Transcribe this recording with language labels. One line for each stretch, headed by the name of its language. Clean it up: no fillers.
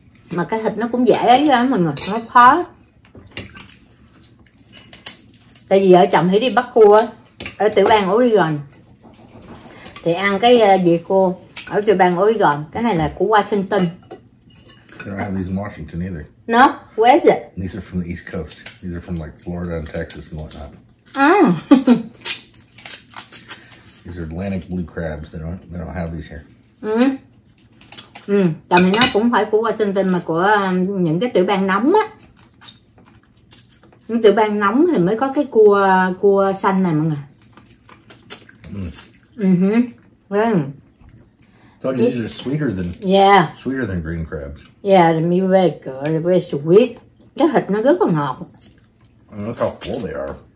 Vietnamese: Mà cái thịt nó cũng dễ ấy á mọi người, nó khó. Tại vì vợ chồng thì đi bắt cua ở tiểu bang Oregon thì ăn cái gì cô ở tiểu bang Oregon, cái này là của Washington.
English: They don't have these in Washington either. No, where is it? These are from the East Coast. These are from like Florida and Texas and whatnot. These are Atlantic blue crabs. They don't have these here.
Vietnamese: Tại vì nó cũng phải của Washington mà của những cái tiểu bang nóng á. Những tiểu bang nóng thì mới có cái cua xanh này mọi người.
English: Told you these are sweeter than sweeter than green crabs. Yeah, the meat very good, very sweet.
Vietnamese: Cái thịt nó rất là ngọt.
English: And look how full they are.